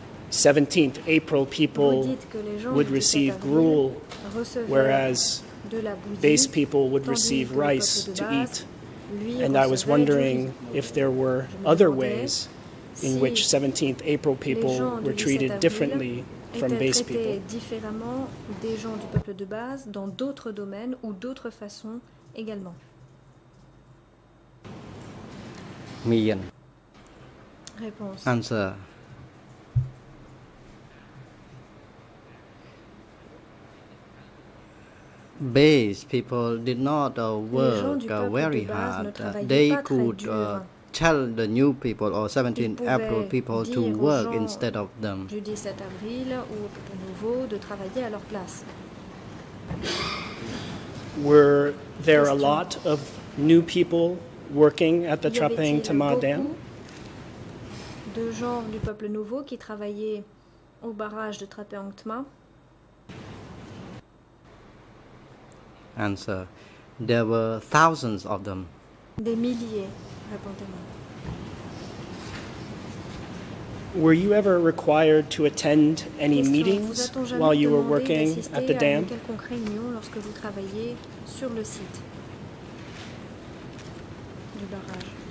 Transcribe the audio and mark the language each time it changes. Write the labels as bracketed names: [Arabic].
[English] 17th April people would receive gruel, whereas base people would receive rice to eat. And I was wondering if there were other ways in which 17th April people were treated differently from base people. [French] Traités différemment des gens du peuple de base dans d'autres domaines ou d'autres façons également. Mian. Réponse. [English] Answer. Base people did not work very hard. They could tell the new people or 17 April people to work instead of them. [French] Du 17 avril ou de nouveau de travailler à leur place. [English] Were there a lot of new people working at the Trapang Tama Dam? [French] De gens du peuple nouveau qui travaillaient au barrage de Trapang Tama. [English] Answer. There were thousands of them. [French] Des milliers, répondez-moi. [English] Were you ever required to attend any meetings while you were working at the dam? [French] Quelconque réunion lorsque vous travailliez sur le site du barrage.